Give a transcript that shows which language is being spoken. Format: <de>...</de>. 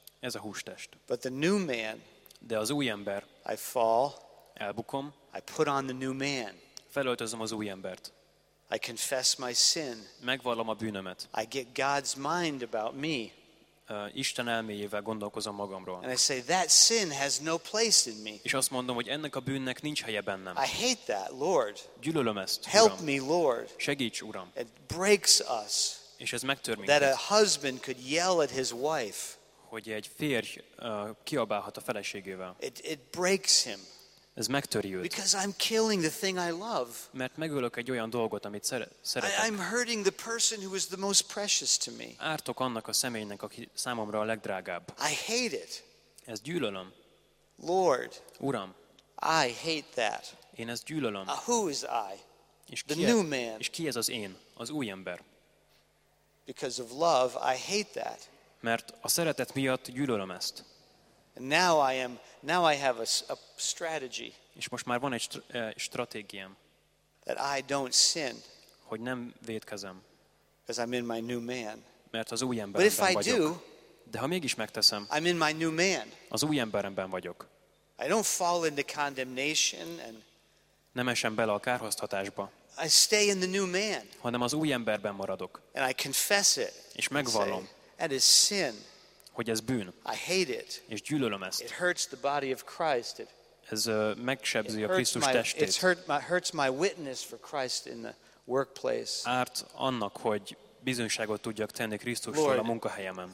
<hu>Ez a hústest.</hu> <en>But the new man.</en> <hu>De az új ember.</hu> <en>I fall.</en> <hu>Elbukom.</hu> <en>I put on the new man.</en> <hu>Felöltözöm az új embert.</hu> <en>I confess my sin.</en> <hu>Megvallom a bűnömet.</hu> <en>I get God's mind about me.</en> <hu>Isten elméjével gondolkozom magamról.</hu> <en>And I say that sin has no place in me.</en> <hu>És azt mondom, hogy ennek a bűnnek nincs helye bennem.</hu> <en>I hate that, Lord.</en> <hu>Gyűlölöm ezt, Uram.</hu> <en>Help me, Lord.</en> <hu>Segíts, Uram.</hu> <en>It breaks us.</en> <hu>És ez megtör minket.</hu> <en>That a husband could yell at his wife.</en> <hu>Hogy egy férj kiabálhat a feleségével.</hu> <en>It breaks him.</en> <hu>Ez megtöri őt.</hu> <en>Because I'm killing the thing I love.</en> <hu>Mert megölök egy olyan dolgot, amit szeretek.</hu> <en>I'm hurting the person who is the most precious to me.</en> <hu>Ártok annak a személynek, aki számomra a legdrágább.</hu> <en>I hate it.</en> <hu>Ezt gyűlölöm.</hu> <en>Lord.</en> <hu>Uram.</hu> <en>I hate that.</en> <hu>Én ezt gyűlölöm.</hu> <en>Who is I? The</en> <hu>ki</hu> <en>new man.</en> <hu>És ki ez az én? Az új ember.</hu> <en>Because of love, I hate that.</en> <hu>Mert a szeretet miatt gyűlölöm ezt.</hu> <en>Now I have a strategy.</en> <hu>És most már van egy stratégiám.</hu> <en>That I don't sin.</en> <hu>Hogy nem vétkezem.</hu> <en>Because I'm in my new man.</en> <hu>Mert az új emberemben</hu> <en>But if</en> <hu>vagyok.</hu> <en>I do,</en> <hu>de ha mégis megteszem.</hu> <en>I'm in my new man.</en> <hu>Az új emberemben vagyok.</hu> <en>I don't fall into condemnation and</en> <hu>nem esem bele a kárhoztatásba.</hu> <en>I stay in the new man.</en> <hu>Hanem az új emberben maradok.</hu> <en>And I confess it.</en> <hu>És megvallom.</hu> <en>That is sin.</en> <hu>Hogy ez bűn.</hu> <en>I hate it.</en> <hu>És gyűlölöm ezt.</hu> <en>It hurts the body of Christ.</en> <hu>Ez megsebzi a Krisztus testét.</hu> <en>It hurts my witness for Christ in the workplace.</en> <hu>Árt annak, hogy bizonyságot tudjak tenni Krisztusról a munkahelyemen.</hu>